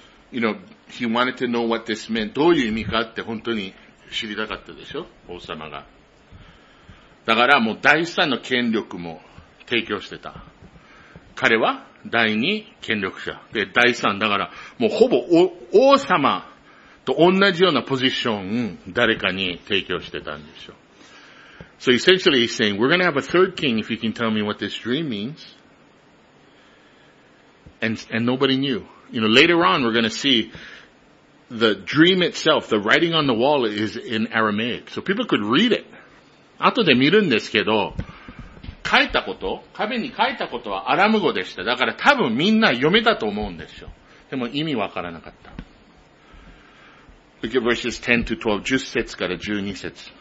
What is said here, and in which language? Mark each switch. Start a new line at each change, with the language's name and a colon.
English: You know, he wanted to know what this meant.
Japanese: どういう意味かって本当に知りたかったでしょ、王様が。だからもう第三の権力も提供してた。彼は第二権力者。で、第三、だからもうほぼ王様と同じようなポジションを誰かに提供してたんでしょ。
English: So essentially he's saying, we're going to have a third king if you can tell me what this dream means. And nobody knew.You know, later on we're gonna see the dream itself, the writing on the wall is in Aramaic. So people could read it.
Japanese: 後で見るんですけど、書いたこと、壁に書いたことはアラム語でした。だから多分みんな読めたと思うんですよ。でも意味わからなかった。
English: Look at verses 10 to 12,
Japanese: 10節から12節。